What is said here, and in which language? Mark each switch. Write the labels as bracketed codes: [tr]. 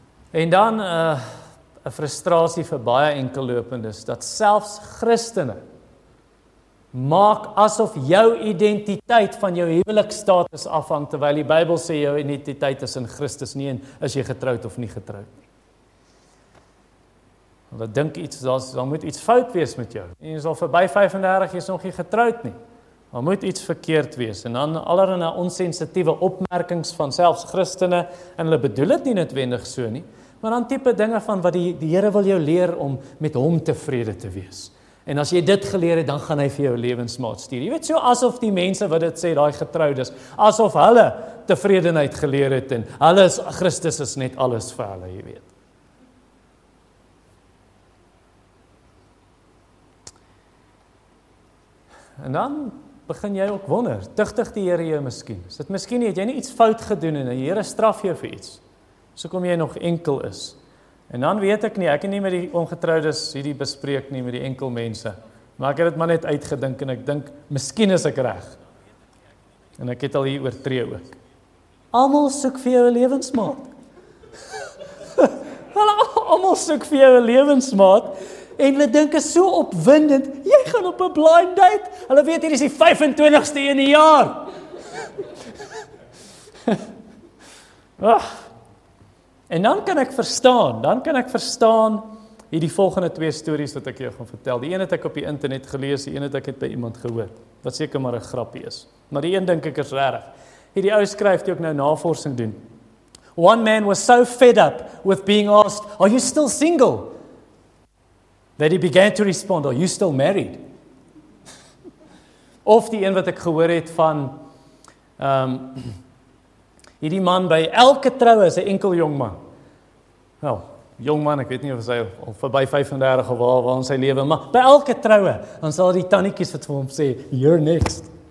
[af] En dan 'n frustrasie vir baie enkellopendes, dat selfs Christene maak asof jou identiteit van jou huweliksstatus afhang, terwyl die Bybel sê jou identiteit is in Christus, nie en is jy getroud of nie getroud. Hulle dink iets, daar moet iets fout wees met jou. En jy is al verby 35, jy is nog nie getroud nie. Daar moet iets verkeerd wees. En dan allerhande onsensitiewe opmerkings van selfs Christene, en hulle bedoel dit nie noodwendig so nie, maar dan tipe dinge van wat die Here wil jou leer om met hom tevrede te wees. En as jy dit geleer het, dan gaan hy vir jou lewensmaat stuur. Jy weet, so asof die mense wat dit sê, daai getroudes, asof hulle tevredenheid geleer het, en hulle is, Christus is net alles vir hulle, jy weet. En dan begin jy ook wonder, tugtig die Here jou miskien? Is dit miskien nie, het jy nie iets fout gedoen en die Here straf jou vir iets? So kom jy nog enkel is. En dan weet ek nie, ek het nie met die ongetroudes hierdie bespreek nie, met die enkel mense. Maar ek het dit maar net uitgedink en ek dink, miskien is ek reg. En ek het al hier oortree ook. Almal soek vir jou 'n lewensmaat. Almal soek vir jou 'n lewensmaat. En hulle dink is so opwindend, jy gaan op 'n blind date, hulle weet hier is die 25ste in die jaar. En dan kan ek verstaan, hierdie volgende twee stories wat ek jou gaan vertel. Die een het ek op die internet gelees, die een het ek by iemand gehoor, wat seker maar 'n grappie is. Maar die een dink ek is regtig. Hierdie ou skryf, die ook nou navorsing doen. [en] One man was so fed up with being asked, are you still single? That he began to respond, are you still married? [af] Of die een wat ek gehoor het van, hierdie man by elke troue is 'n enkel jong man. Wel, jong man, ek weet nie of hy al verby 35 of waar in sy lewe, maar by elke troue, dan sal die tannetjies wat vir hom sê, [en] you're next.